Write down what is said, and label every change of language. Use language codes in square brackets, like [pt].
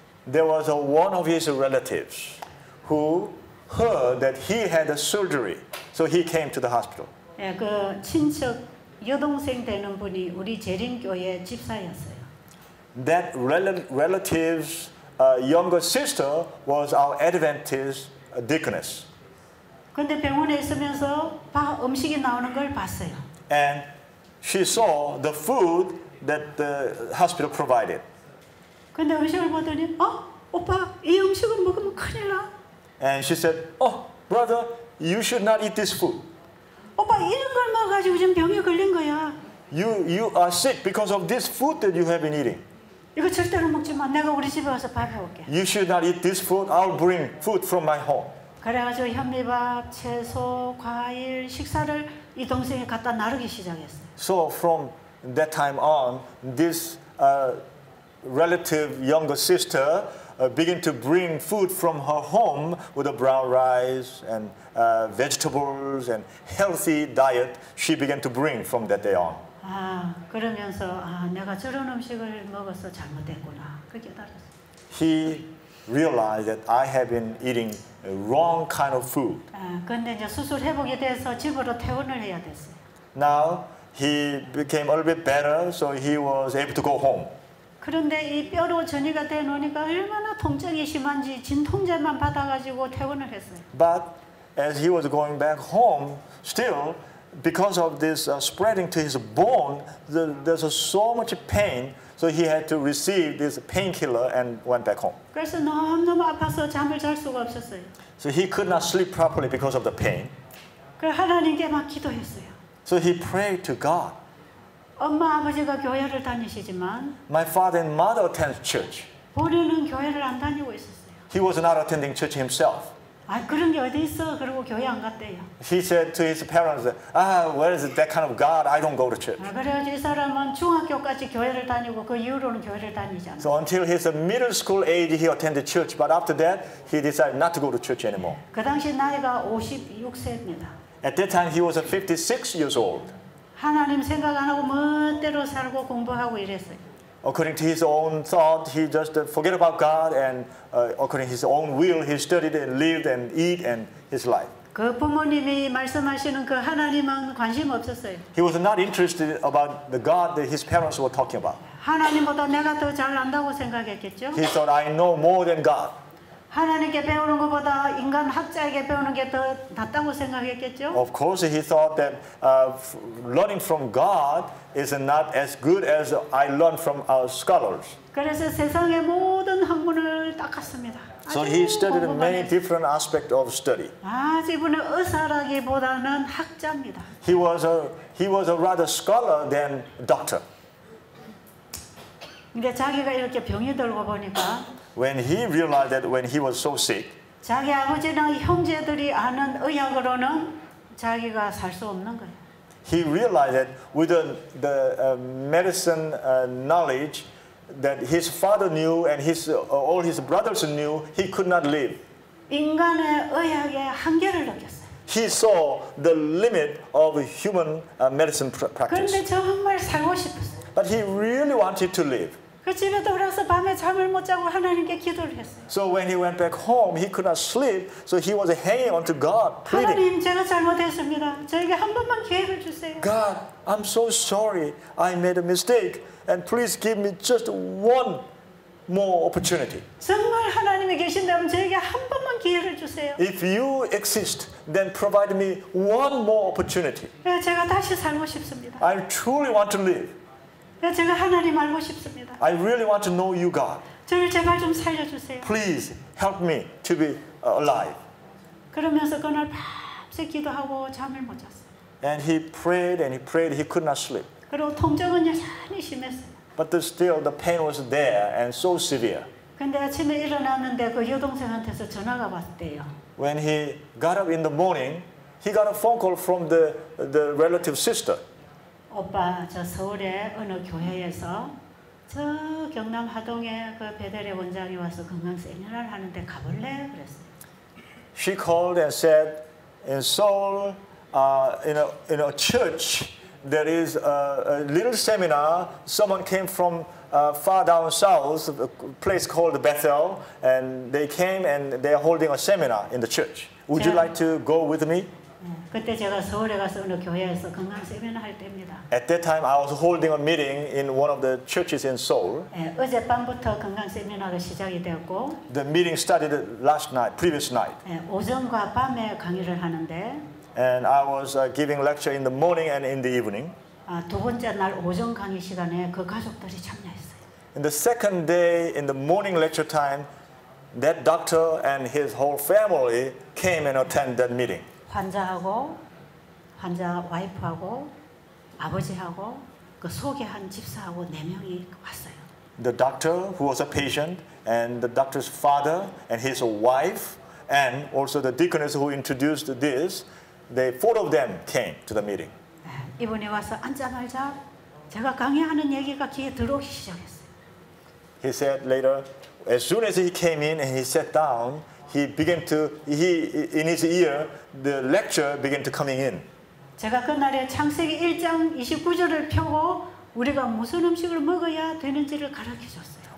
[en] There was one of his relatives who heard that he had a surgery, so he came to the hospital. [ko] 예, 그 친척 여동생 되는 분이 우리 재림교회 집사였어요. [en] That relative's younger sister was our Adventist deaconess. [ko] 근데 병원에 있으면서 음식이 나오는 걸 봤어요. [en] And she saw the food that the hospital provided. [ko] 근데 음식을 보더니, 어, 오빠, 이 음식을 먹으면 큰일 나. [en] And she said, "Oh, brother, you should not eat this food." [ko] 오빠, 이런 걸 먹어가지고 지금 병에 걸린 거야. [en] You are sick because of this food that you have been eating. [ko] 이거 절대로 먹지 마. 내가 우리 집에 와서 밥 해올게. [en] You should not eat this food. I'll bring food from my home. [ko] 그래가지고 현미밥, 채소, 과일, 식사를 이 동생이 갖다 나르기 시작했어요. [en] So from that time on, this relative younger sister began to bring food from her home with a brown rice and vegetables and healthy diet she began to bring from that day on. [ko] 아, 그러면서 아, 내가 저런 음식을 먹어서 잘못됐구나. 그 깨달았어. [en] He realized that I have been eating a wrong kind of food. [ko] 아, 근데 이제 수술 회복이 돼서 집으로 퇴원을 해야 됐어요. [en] Now he became a little bit better, so he was able to go home. [ko] 그런데 이 뼈로 전이가 돼 놓으니까 얼마나 통증이 심한지 진통제만 받아 가지고 퇴원을 했어요. [en] But as he was going back home, still because of this spreading to his bone, there's so much pain, so he had to receive this painkiller and went back home. [ko] 그래서 너무 아파서 잠을 잘 수가 없었어요. [en] So he could not sleep properly because of the pain. [ko] 그래서 하나님께 막 기도했어요. [en] So he prayed to God. [ko] 엄마 아버지가 교회를 다니시지만, [en] my father and mother attend church. [ko] 본인은 교회를 안 다니고 있었어요. [en] He was not attending church himself. [ko] 아 그런 게 어디 있어? 그리고 교회 안 갔대요. [en] He said to his parents, "Ah, where is that kind of God? I don't go to church." [ko] 아, 그래가지고 이 사람은 중학교까지 교회를 다니고 그 이후로는 교회를 다니지 않아. [en] So until his middle school age, he attended church, but after that, he decided not to go to church anymore. [ko] 그 당시 나이가 56세입니다. [en] At that time, he was 56 years old. [ko] 하나님 생각 안 하고 멋대로 살고 공부하고 이랬어요. [en] According to his own thought, he just forget about God, and according to his own will, he studied and lived and eat and his life. [ko] 그 부모님이 말씀하시는 그 하나님은 관심 없었어요. [en] He was not interested about the God that his parents were talking about. [ko] 하나님보다 내가 더 잘 안다고 생각했겠죠? [en] He thought I know more than God. [ko] 하나님께 배우는 것보다 인간 학자에게 배우는 게 더 낫다고 생각했겠죠? [en] Of course, he thought that learning from God is not as good as I learn from our scholars. [ko] 그래서 세상의 모든 학문을 닦았습니다. [en] So he studied many different aspects of study. [ko] 아, 이분은 의사라기보다는 학자입니다. [en] He was a rather scholar than doctor. [ko] 이게 자기가 이렇게 병이 들고 보니까. [en] When he realized that when he was so sick, [ko] 자기 아버지나 형제들이 아는 의학으로는 자기가 살 수 없는 거예요. [en] He realized that with the medicine knowledge that his father knew and all his brothers knew, he could not live. [ko] 인간의 의학의 한계를 느꼈어요. [en] He saw the limit of human medicine practice. [ko] 그런데 정말 살고 싶었어요. [en] But he really wanted to live. [ko] 그 집에 돌아서 밤에 잠을 못 자고 하나님께 기도를 했어요. [en] So when he went back home, he could not sleep. So he was hanging on to God, pleading. [ko] 하나님, 제가 잘못했습니다. 저에게 한 번만 기회를 주세요. [en] God, I'm so sorry. I made a mistake, and please give me just one more opportunity. [ko] 정말 하나님이 계신다면 저에게 한 번만 기회를 주세요. [en] If you exist, then provide me one more opportunity. [ko] 네, 제가 다시 살고 싶습니다. [en] I truly want to live. [ko] 제가 하나님 알고 싶습니다. [en] I really want to know you, God. [ko] 저를 제발 좀 살려주세요. [en] Please help me to be alive. [ko] 그러면서 그날 밤새 기도하고 잠을 못 잤어요. [en] And he prayed and he prayed. He could not sleep. [ko] 그리고 통증은 여전히 심했어요. [en] But still, the pain was there and so severe. [ko] 근데 아침에 일어났는데 그 여동생한테서 전화가 왔대요. [en] When he got up in the morning, he got a phone call from the relative sister. [ko] 오빠, 저 서울에 어느 교회에서 저 경남 하동에 그 배달의 원장이 와서 건강 세미나를 하는데 가볼래? 그랬어요. [en] She called and said, in Seoul, in a church, there is a little seminar. Someone came from far down south, a place called Bethel, and they came and they are holding a seminar in the church. Would you like to go with me? [ko] 그때 제가 서울에 가서 어느 교회에서 건강 세미나 할 때입니다. [en] At that time, I was holding a meeting in one of the churches in Seoul. [ko] 어젯밤부터 건강 세미나가 시작이 되었고. [en] The meeting started last night, previous night. [ko] 오전과 밤에 강의를 하는데. [en] And I was giving lecture in the morning and in the evening. [ko] 두 번째 날 오전 강의 시간에 그 가족들이 참여했어요. [en] In the second day, in the morning lecture time, that doctor and his whole family came and attended that meeting. [ko] 환자하고 환자 와이프하고 아버지하고 그 소개한 집사하고 네 명이 왔어요. [en] The doctor who was a patient and the doctor's father and his wife and also the deaconess who introduced this, they four of them came to the meeting. [ko] 이분이 와서 앉자마자 제가 강의하는 얘기가 귀에 들어오기 시작했어요. [en] He said later, as soon as he came in and he sat down, he began to he in his ear the lecture began to coming in. [ko] 제가 그날에 창세기 1장 29절을 펴고 우리가 무슨 음식을 먹어야 되는지를 가르쳐 줬어요.